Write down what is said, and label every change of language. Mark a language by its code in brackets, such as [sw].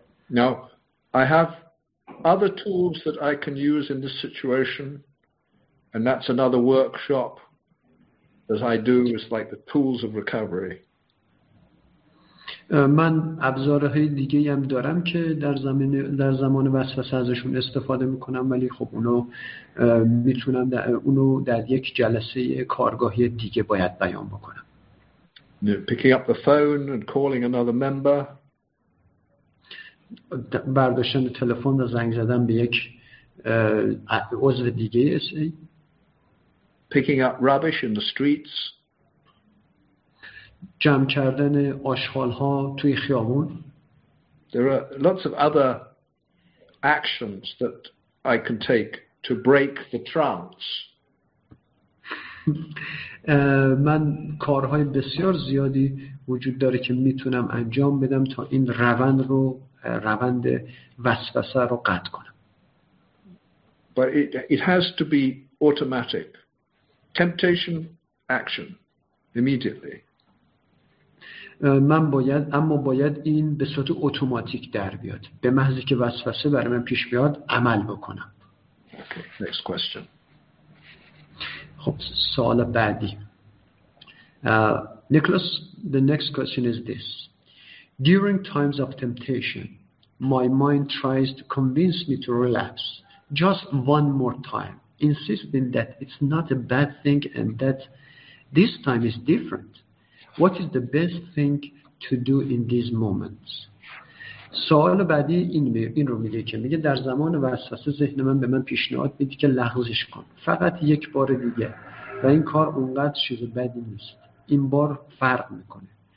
[en] Now, I have other tools that I can use in this situation, and that's another workshop that I do. It's like the tools of recovery. [fa] من ابزارهای دیگه هم دارم که در زمان وسوسه ازشون استفاده میکنم، ولی خب اونو میتونم اونو در یک جلسه کارگاهی دیگه باید بیان بکنم. [en] Picking up the phone and calling another member. [fa] برداشتن تلفن و زنگ زدن به یک عضو دیگه SA. [en] Picking up rubbish in the streets. [fa] جمع کردن آشغال ها توی خیابون. [en] There are lots of other actions that I can take to break the trance. [fa] من کارهای بسیار زیادی وجود داره که میتونم انجام بدم تا این روند رو، روند وسوسه رو قطع کنم. [en] But it has to be automatic. Temptation action immediately. [fa] من باید، اما باید این به صورت اتوماتیک در بیاد. به محضی که وسوسه برای من پیش بیاد عمل بکنم. [en] Okay, next question. [fa] خب سوال بعدی. [en] Nicholas, the next question is this. During times of temptation, my mind tries to convince me to relapse just one more time, insisting that it's not a bad thing and that this time is different. What is the best thing to do in these moments? [fa] سوال بعدی این رو میگه که میگه در زمان وسوسه ذهن من به من پیشنهاد میده که لغزش کن فقط یک بار دیگه و این کار اونقدر چیز بدی نیست، این بار فرق میکنه.